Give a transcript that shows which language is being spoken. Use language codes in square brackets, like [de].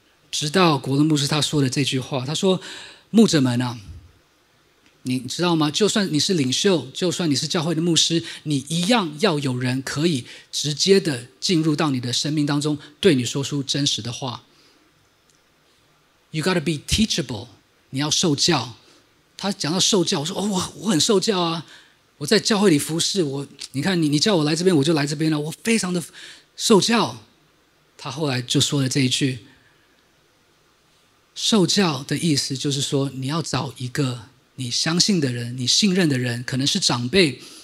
[zh] 直到国伦牧师他说的这句话，他说：“牧者们啊，你知道吗？就算你是领袖，就算你是教会的牧师，你一样要有人可以直接的进入到你的生命当中，对你说出真实的话。 [en] You gotta be teachable， [zh] 你要受教。他讲到受教，我说哦，我很受教啊，我在教会里服侍，我你看你叫我来这边，我就来这边了，我非常的受教。他后来就说了这一句。” 受教的意思就是说，你要找一个你相信的人，你信任的人，可能是长辈。